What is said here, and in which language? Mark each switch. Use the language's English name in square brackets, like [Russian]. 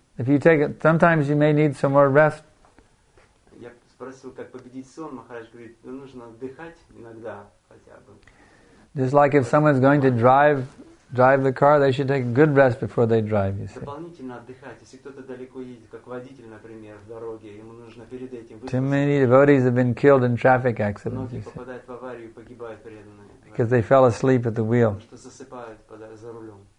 [English] If you take it, sometimes you may need some more rest. [Russian] Я спросил, как победить сон. Махарадж говорит, нужно отдыхать иногда хотя бы. [English] Just like if someone's going to drive the car, they should take a good rest before they drive, you see. [Russian] Дополнительно отдыхать. Если кто-то далеко едет, как водитель, например, в дороге, ему нужно перед этим... [English] Too many devotees have been killed in traffic accidents, you see. [Russian] Попадают в аварию, погибают преданные. [English] Because they fell asleep at the wheel. [Russian] Потому что засыпают за рулем.